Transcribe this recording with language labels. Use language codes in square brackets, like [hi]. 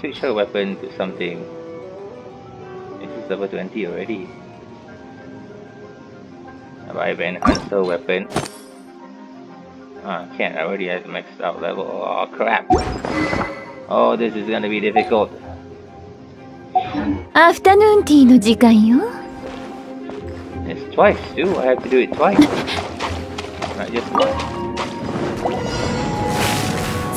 [en] Switch her weapon to something. This is level 20 already. How about I have an enhancer weapon? Can't, I already have the maxed out level. Oh crap. Oh, this is gonna be difficult. [ja] Afternoon tea の時間よ。 [en] It's twice too, I have to do it twice. Not just once.